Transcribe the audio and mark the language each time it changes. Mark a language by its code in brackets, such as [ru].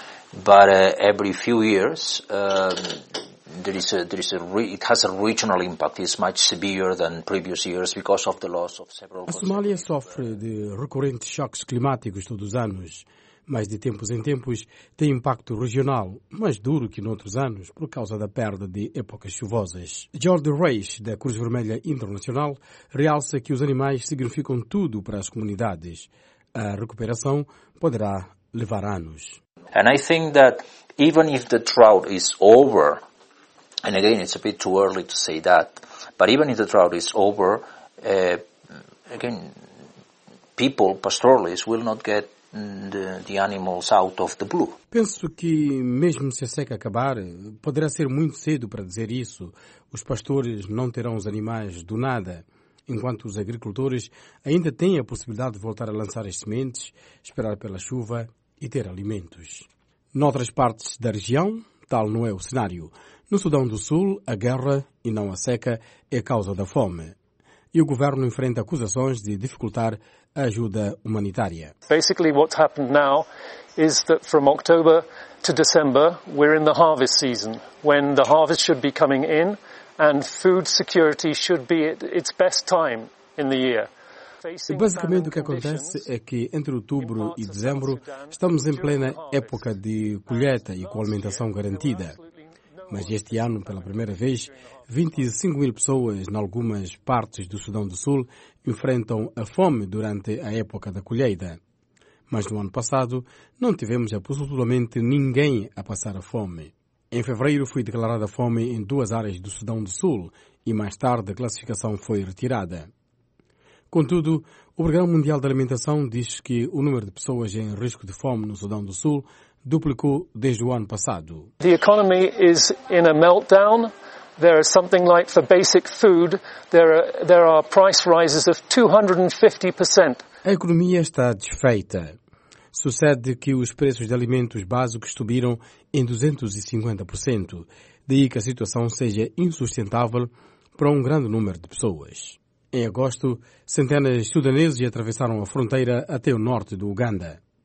[en] But every few years, it has a regional impact. It's much severe than previous years because of the loss of several. [pt] A Somália sofre de recorrentes choques climáticos todos os anos, mas de tempos em tempos tem impacto regional mais duro que noutros anos por causa da perda de épocas chuvosas. George Reis, da Cruz Vermelha Internacional, realça que os animais significam tudo para as comunidades. A recuperação poderá levar anos. [en] And I think that even if the drought is over, and again it's a bit too early to say that, but even if the drought is over, people, pastoralists, will not get the animals out of the blue. [pt] Penso que mesmo se a seca acabar, poderá ser muito cedo para dizer isso. Os pastores não terão os animais do nada. enquanto os agricultores ainda têm a possibilidade de voltar a lançar as sementes, esperar pela chuva e ter alimentos. Noutras partes da região, tal não é o cenário. No Sudão do Sul, a guerra, e não a seca, é causa da fome. E o governo enfrenta acusações de dificultar a ajuda humanitária. [en] Basically, what's happened now is that from October to December, we're in the harvest season, when the harvest should be coming in and food security should be at its best time in the year. [pt] E basicamente o que acontece é que entre outubro e dezembro estamos em plena época de colheita e com alimentação garantida. Mas este ano, pela primeira vez, 25 mil pessoas em algumas partes do Sudão do Sul enfrentam a fome durante a época da colheita. Mas no ano passado não tivemos absolutamente ninguém a passar a fome. Em fevereiro foi declarada fome em duas áreas do Sudão do Sul e mais tarde a classificação foi retirada. Contudo, o Programa Mundial de Alimentação diz que o número de pessoas em risco de fome no Sudão do Sul duplicou desde o ano passado. [en] The economy is in a meltdown. There is something like for basic food, there are price rises of 250%. [pt] A economia está desfeita. Sucede que os preços de alimentos básicos subiram em 250%, daí que a situação seja insustentável para um grande número de pessoas. Em agosto, centenas de sudaneses atravessaram a fronteira até o norte do Uganda.